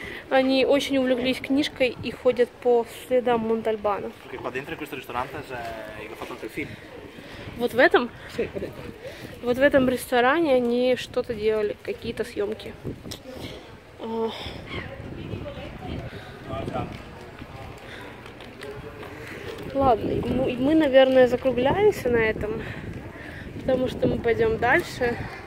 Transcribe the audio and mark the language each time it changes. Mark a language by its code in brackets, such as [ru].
[ru] Они очень увлеклись книжкой и ходят по следам Монтальбана. [it] Perché qua dentro in questo ristorante c'è hanno fatto anche il film. [ru] Вот в этом? [it] Sì. [ru] Вот в этом ресторане они что-то делали, какие-то съемки. Ладно, мы, наверное, закругляемся на этом. Потому что мы пойдем дальше.